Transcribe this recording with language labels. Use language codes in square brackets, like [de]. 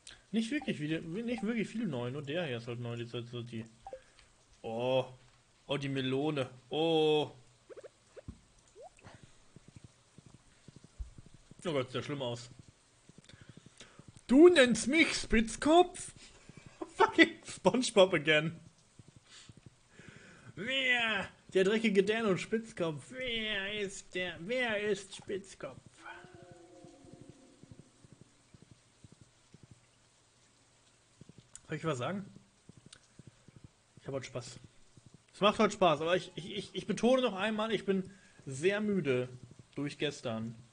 [de] Nicht wirklich viel neu. Nur der hier ist halt neu. Die. Oh, die Melone. Oh. Oh Gott, sieht ja schlimm aus. Du nennst mich Spitzkopf? [en] Fucking SpongeBob again. [de] Wer? Der dreckige Dan und Spitzkopf. Wer ist Spitzkopf? Soll ich was sagen? Ich hab heute Spaß. Es macht heute Spaß, aber ich betone noch einmal, ich bin sehr müde durch gestern.